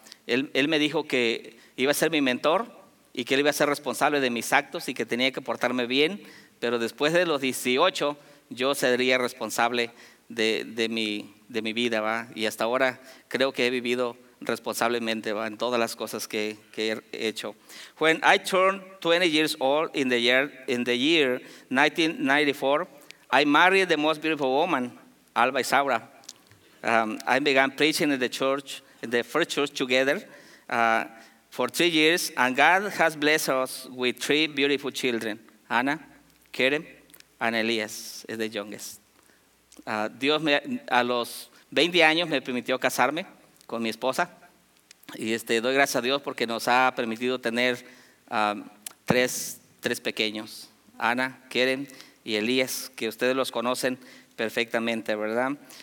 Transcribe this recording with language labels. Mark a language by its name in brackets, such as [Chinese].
[Spanish] Él me dijo que iba a ser mi mentor y que él iba a ser responsable de mis actos y que tenía que portarme bien, pero después de los 18 yo sería responsable de mi vida, ¿va? Y hasta ahora creo que he vivido responsablemente, ¿va? En todas las cosas que he hecho. [English] When I turned 20 years old in the year 1994, I married the most beautiful woman, Alba Isaura. I began preaching in the church, in the first church together, for 3 years, and God has blessed us with 3 beautiful children, Anna, Karen, and Elias, is the youngest. [Spanish] Dios me, a los 20 años me permitió casarme con mi esposa, y doy gracias a Dios porque nos ha permitido tener tres pequeños, Anna, Karen, y Elías, que ustedes los conocen perfectamente, ¿verdad?